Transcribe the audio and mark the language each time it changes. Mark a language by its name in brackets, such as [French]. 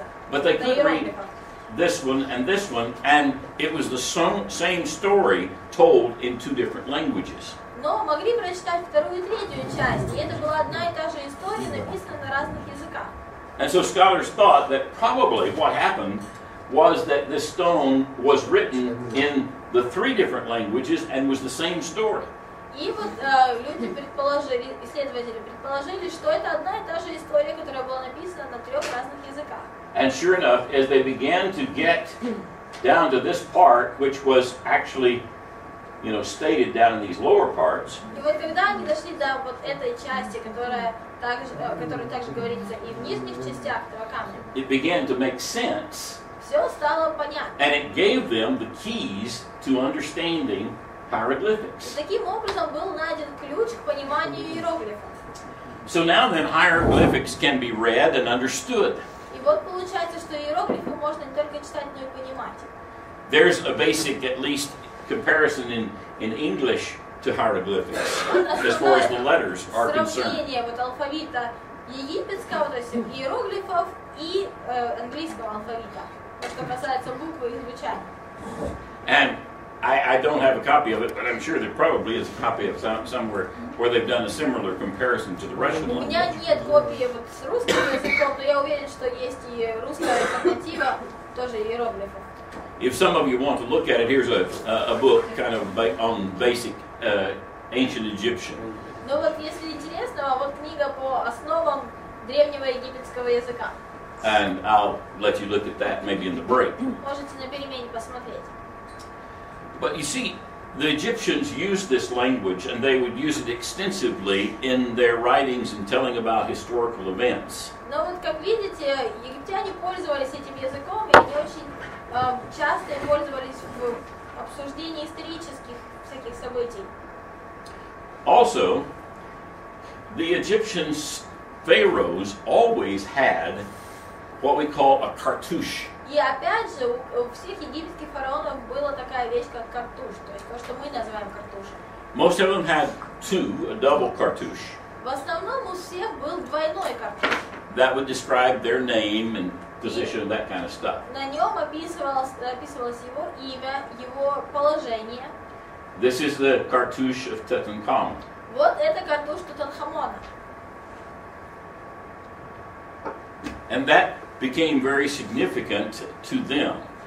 [English] But they couldn't read this one and this one, and it was the same story told in two different languages. [Russian] Но могли прочитать вторую и третью часть, и это была одна и та же история, написанная на разных языках. [English] And so scholars thought that probably what happened was that this stone was written in the three different languages and was the same story. [Russian] И вот люди предположили, исследователи предположили, что это одна и та же история, которая была написана на трех разных языках. [English] And sure enough, as they began to get down to this part, which was actually, you know, stated down in these lower parts. [Russian] И вот когда они дошли до вот этой части, которая также говорится и в нижних частях этого камня. [English] It began to make sense. [Russian] Все стало понятно. [English] And it gave them the keys to understanding hieroglyphics. [Russian] Таким образом был найден ключ к пониманию иероглифов. [English] So now then, hieroglyphics can be read and understood. [Russian] И вот получается, что иероглифы можно не только читать, но и понимать. [English] There's a basic, at least, comparison in English to hieroglyphics, as far as the letters are concerned. [Russian] Сравнение вот алфавита египетского, то есть иероглифов, и английского алфавита, что касается буквы и звучания. [English] And I don't have a copy of it, but I'm sure there probably is a copy of somewhere where they've done a similar comparison to the Russian language. [Russian] У меня нет копии вот с русским языком, но я уверен, что есть и русская альтернатива тоже иероглифов. [English] If some of you want to look at it, here's a book kind of on basic ancient Egyptian. [Russian] Ну вот если интересно, вот книга по основам древнего египетского языка. [English] And I'll let you look at that maybe in the break. [Russian] Можете на перемене посмотреть. [English] But you see, the Egyptians used this language, and they would use it extensively in their writings and telling about historical events. [Russian] Но вот как видите, египтяне пользовались этим языком, и они очень часто пользовались в обсуждении исторических всяких событий. [English] Also, the Egyptian pharaohs always had what we call a cartouche. [Russian] И опять же, у всех египетских фараонов была такая вещь, как картуш, то есть то, что мы называем картушем. [English] Most of them had two, a double cartouche. [Russian] В основном у всех был двойной картуш. [English] That would describe their name and position, that kind of stuff. [Russian] На нем описывалось его имя, его положение. [English] This is the cartouche of Tutankhamun. [Russian] Вот это картуш Тутанхамона. [English] And that became very significant to them.